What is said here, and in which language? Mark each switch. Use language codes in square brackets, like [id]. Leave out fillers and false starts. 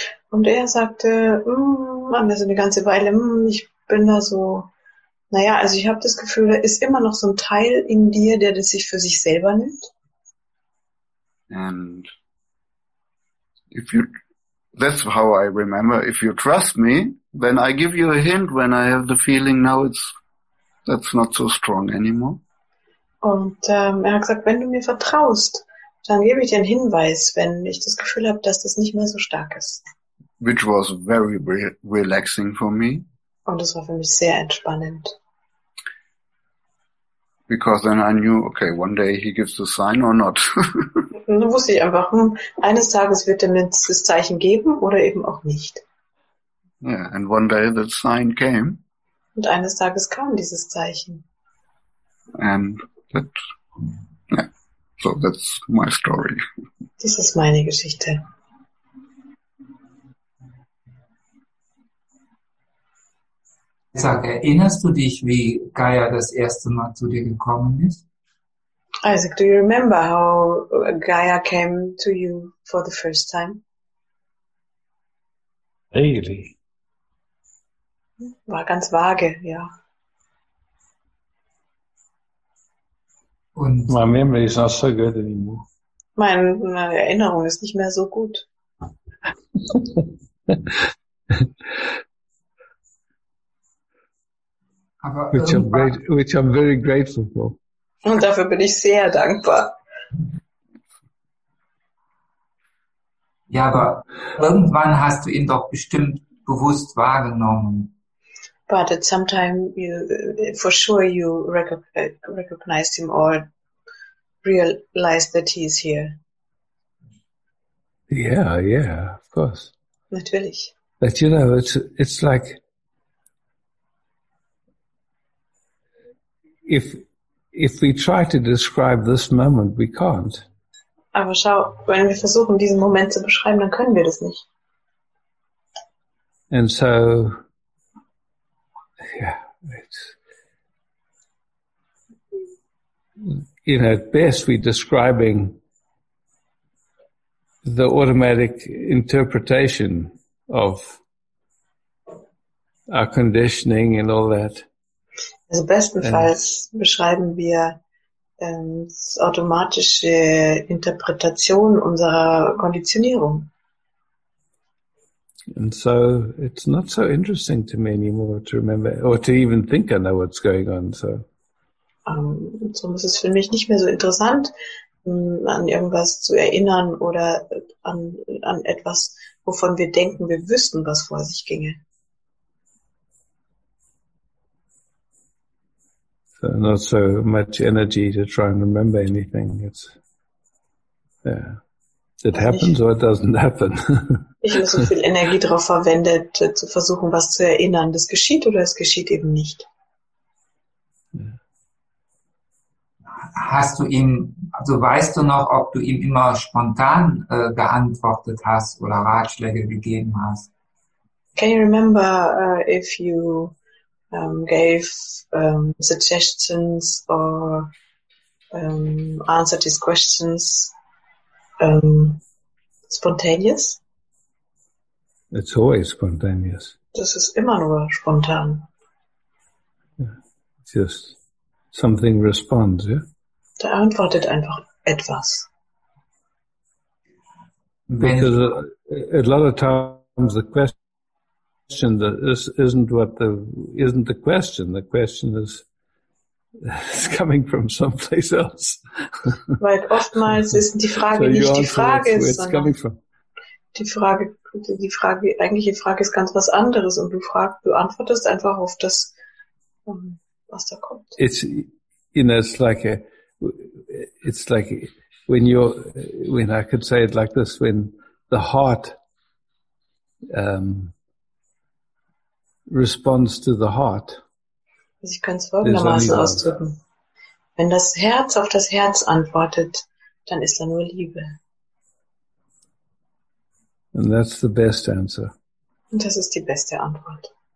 [de] Und er sagte, also eine ganze Weile, ich bin da so, naja, also ich habe das Gefühl, da ist immer noch so ein Teil in dir, der das sich für sich selber nimmt. [en] And if you, that's how I remember, if you trust me, then I give you a hint when I have the feeling now it's, that's not so strong anymore. [de] Und er hat gesagt, wenn du mir vertraust, dann gebe ich dir einen Hinweis, wenn ich das Gefühl habe, dass das nicht mehr so stark ist. [en] Which was very relaxing for me. [de] Und das war für mich sehr entspannend. [en] Because then I knew, okay, one day he gives the sign or not. [de] Dann wusste ich einfach, eines Tages wird er mir das Zeichen geben oder eben auch nicht. [en] Yeah, and one day the sign came. [de] Und eines Tages kam dieses Zeichen. [en] And that, yeah. So that's my story. [de] Das ist meine Geschichte. Sag, erinnerst du dich, wie Gaia das erste Mal zu dir gekommen ist? [en] Isaac, do you remember how Gaia came to you for the first time? Really? [de] War ganz vage, ja. [en] Und my memory is not so good anymore. [de] Meine Erinnerung ist nicht mehr so gut. [en] Aber which I'm very grateful for. [de] Und dafür bin ich sehr dankbar. Ja, aber irgendwann hast du ihn doch bestimmt bewusst wahrgenommen. [en] But at some time, you, for sure, you recognized him or realized that he is here. Yeah, yeah, of course. [de] Natürlich. [en] But you know, it's like if we try to describe this moment, we can't. [de] Aber schau, wenn wir versuchen, diesen Moment zu beschreiben, dann können wir das nicht. [en] And so, yeah, it's, you know, at best we're describing the automatic interpretation of our conditioning and all that. [de] Also bestenfalls beschreiben wir automatische Interpretation unserer Konditionierung. [en] And so it's not so interesting to me anymore to remember or to even think I know what's going on. So, [de] so ist es für mich nicht mehr so interessant, an irgendwas zu erinnern oder an etwas, wovon wir denken, wir wüssten, was vor sich ginge. [en] So not so much energy to try and remember anything. It's, yeah. It happens or it doesn't happen. [de] Ich habe so viel Energie darauf verwendet, zu versuchen, was zu erinnern. Das geschieht oder es geschieht eben nicht. Hast du ihm, also weißt du noch, ob du ihm immer spontan geantwortet hast oder Ratschläge gegeben hast? [en] Can you remember if you gave suggestions or answered his questions spontaneous? It's always spontaneous. [de] Das ist immer nur spontan. [en] Yeah. Just something responds, yeah? [de] Da antwortet einfach etwas. [en] Because a lot of times the question that isn't the question. The question is it's coming from someplace else. [de] Weil oftmals ist die Frage so nicht die Frage, sondern die eigentliche Frage ist ganz was anderes und du antwortest einfach auf das, was da kommt. [en] It's, you know, it's like when you're, when I could say it like this, when the heart responds to the heart. [de] Ich kann es folgendermaßen ausdrücken. Wenn das Herz auf das Herz antwortet, dann ist da nur Liebe. [en] And that's the best answer. [de] Und das ist die beste Antwort.